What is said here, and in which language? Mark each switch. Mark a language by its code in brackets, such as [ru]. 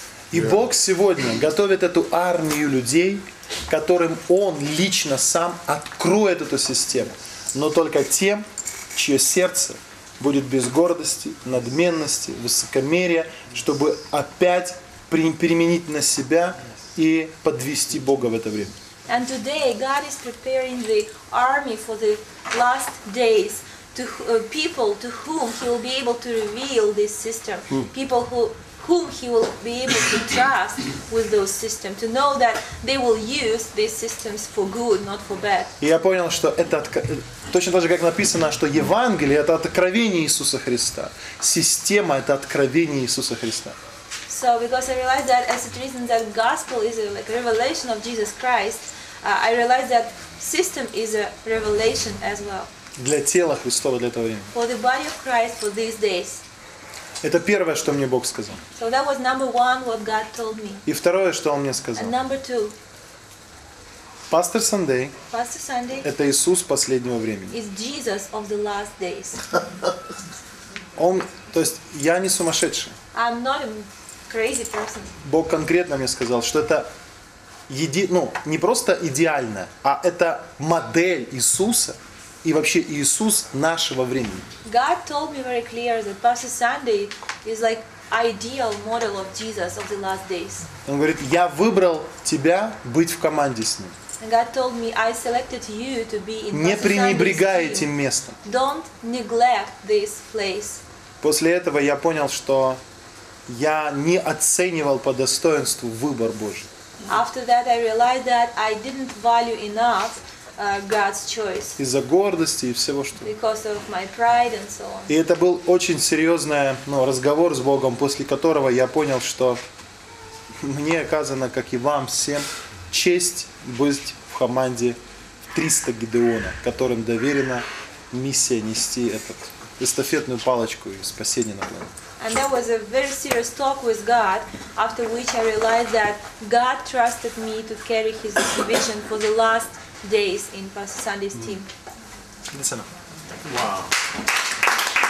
[ru] И Бог сегодня готовит эту армию людей, которым Он лично сам откроет эту систему, но только тем, чье сердце будет без гордости, надменности, высокомерия, чтобы опять применить на себя и подвести Бога в это время. [en] And today God is preparing the army for the last days to people to whom He will be able to reveal this system. People whom He will be able to trust with those systems, to know that they will use these systems for good, not for bad. [ru] И я понял, что это точно так же, как написано, что Евангелие — это откровение Иисуса Христа. Система — это откровение Иисуса Христа. [en] So because I realized that as it is written that gospel is a, like a revelation of Jesus Christ, I realized that system is a revelation as well. [ru] Для тела Христова, для этого времени. [en] For the body of Christ for these days. [ru] Это первое, что мне Бог сказал. [en] So that was number one, what God told me. [ru] И второе, что Он мне сказал. [en] And number two. [ru] Пастор Сандей. [en] Pastor Sunday. [ru] Это Иисус последнего времени. [en] Is Jesus of the last days. [ru] Он, то есть, я не сумасшедший. [en] I'm not a crazy person. [ru] Бог конкретно мне сказал, что это не просто идеально, а это модель Иисуса и вообще Иисус нашего времени. [en] God told me very clear that Pastor Sunday is like ideal model of Jesus of the last days. [ru] Он говорит, я выбрал тебя быть в команде с ним. [en] God told me I selected you to be in Pastor Sunday's [ru] team. Не пренебрегай этим местом. [en] Don't neglect this place. [ru] После этого я понял, что я не оценивал по достоинству выбор Божий. [en] After that, I realized that I didn't value enough God's choice. [ru] Из-за гордости и всего что. [en] Because of my pride and so on. [ru] И это был очень серьезный, разговор с Богом, после которого я понял, что мне оказано, как и вам всем, честь быть в команде 300 Гидеона, которым доверена миссия нести этот эстафетную палочку и спасение на планете. [en] And that was a very serious talk with God, after which I realized that God trusted me to carry His vision for the last days in Pastor Sunday's team. That's enough. Wow.